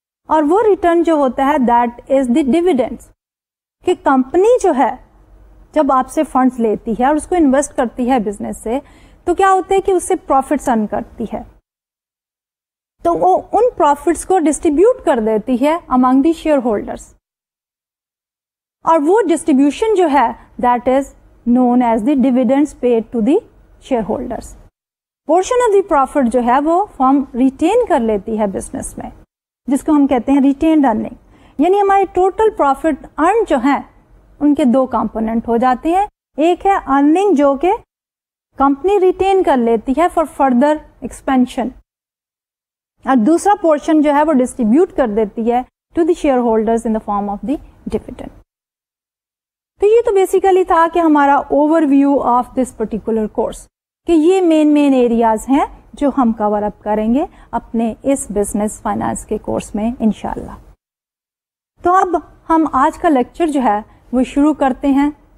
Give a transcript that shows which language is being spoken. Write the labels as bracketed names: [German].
[Hindi] और वो रिटर्न जो होता है [English] That is the dividends. [Hindi] कि कंपनी जो है जब आपसे फंड्स लेती है और उसको इन्वेस्ट करती है बिजनेस से, तो क्या होता है कि उससे प्रॉफिट्स अर्न करती है, तो वो उन प्रॉफिट्स को डिस्ट्रीब्यूट कर देती है [English] Among the shareholders. [Hindi] और वो डिस्ट्रीब्यूशन जो है [English] That is known as the dividends paid to the shareholders. [Hindi] Portion of the profit जो है वो firm retain कर लेती है business में, जिसको हम कहते हैं retained earning. यानी हमारे total profit earned जो है उनके दो component हो जाते हैं. एक है earning जो के company retain कर लेती है [English] for further expansion, [Hindi] और दूसरा portion जो है वो distribute कर देती है [English] to the shareholders in the form of the dividend. [Hindi] तो ये तो बेसिकली था कि हमारा [English] overview of this particular course, [Hindi] कि ये मेन मेन एरियाज हैं जो हम कवर अप करेंगे अपने इस बिजनेस फाइनेंस के कोर्स में इंशाल्लाह. तो अब हम आज का लेक्चर जो है वो शुरू करते हैं.